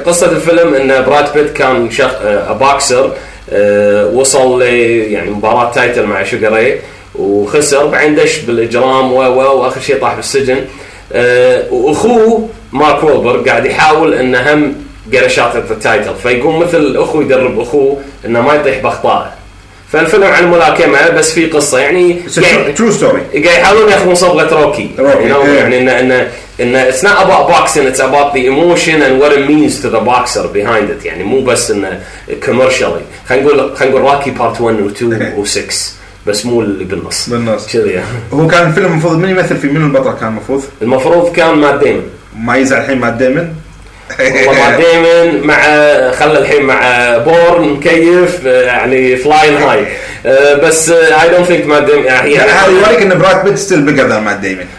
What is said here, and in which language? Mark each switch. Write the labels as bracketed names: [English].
[Arabic] قصة الفيلم إن براد بيت كان شخص بوكسر وصل ل يعني مباراة تايتل مع شوغري وخسر بعدين دش بالإجرام وآخر شيء طاح بالسجن. وأخوه مارك وولبرغ قاعد يحاول إنه هم قرشات التايتل فيقوم مثل أخوه يدرب أخوه إنه ما يطيح بأخطائه. فالفيلم عن الملاكمة بس في قصة يعني [English] true story [Arabic] قاعد يحاولون يأخذون صبغة روكي يعني إن [English] it's not about boxing it's about the emotion and what it means to the boxer behind it [Arabic] يعني مو بس إن [English] commercially [Arabic] خلينا نقول Rocky part 1 و 2 و 6 بس مو اللي بالنص كذي. هو كان الفيلم المفروض من يمثل في من البطل كان المفروض كان مات ديمون ما يزع الحين مات ديمون والله مات ديمون مع خلى الحين مع بورن مكيف يعني فلاين هاي بس [English] I don't think [Arabic] مات ديمون يعني هذا يوريك إن براد بيت [English] still bigger than [Arabic] مات ديمون